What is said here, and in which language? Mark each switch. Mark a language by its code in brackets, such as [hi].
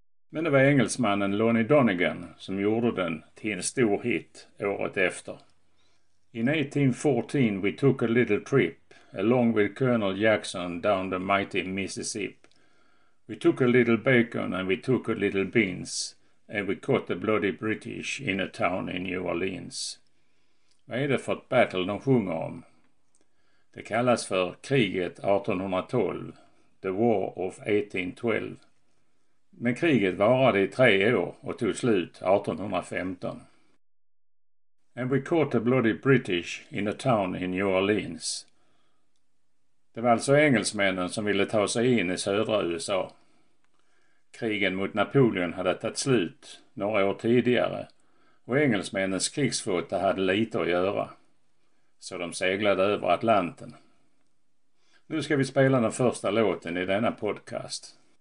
[sv] Men det var engelsmannen Lonnie Donegan som gjorde den till en stor hit året efter. [en] In 1814 we took a little trip along with Colonel Jackson down the mighty Mississippi. We took a little bacon and we took a little beans, and we caught the bloody British in a town in New Orleans. [sv] Vad är det för ett battle de sjunger om? Det kallas för kriget 1812, The War of 1812. Men kriget varade i 3 år och tog slut 1815. [en] And we caught the bloody British in a town in New Orleans. [sv] Det var alltså engelsmännen som ville ta sig in i södra USA. Krigen mot Napoleon hade tagit slut några år tidigare och engelsmännens krigsflotta hade lite att göra. Så de seglade över Atlanten. Nu ska vi spela den första låten i denna podcast.